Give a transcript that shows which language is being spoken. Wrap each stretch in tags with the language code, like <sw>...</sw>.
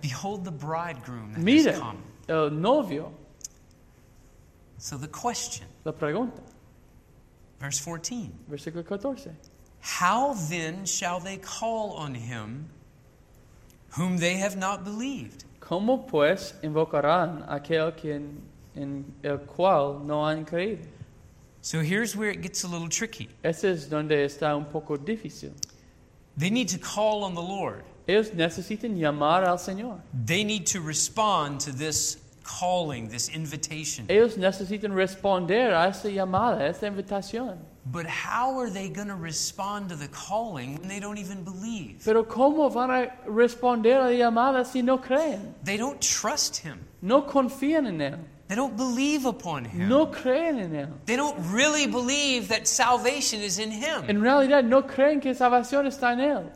<en>Behold the bridegroom that</en> <es>mira</es> <en>has come.</en> <es>El novio.</es> <en>So the question.</en> <es>La pregunta.</es> <en>Verse 14.</en> <es>Versículo 14.</es> <en>How then shall they call on him whom they have not believed?</en> <es>¿Cómo pues invocarán aquel quien en el cual no han creído?</es> <en>So here's where it gets a little tricky.</en> <es>Ese es donde está un poco difícil.</es> <en>They need to call on the Lord.</en> <es>Ellos necesitan llamar al Señor.</es> <en>They need to respond to this calling, this invitation.</en> <es>Ellos necesitan responder a esta llamada, a esta invitación.</es> <en>But how are they going to respond to the calling when they don't even believe?</en> <es>Pero cómo van a responder a la llamada si no creen?</es> <en>They don't trust him.</en> <es>No confían en él.</es> <en>They don't believe upon him.</en> <es>No creen en él.</es> <en>They don't really believe that salvation is in him.</en> <es>En realidad no creen que salvación está en él.</es>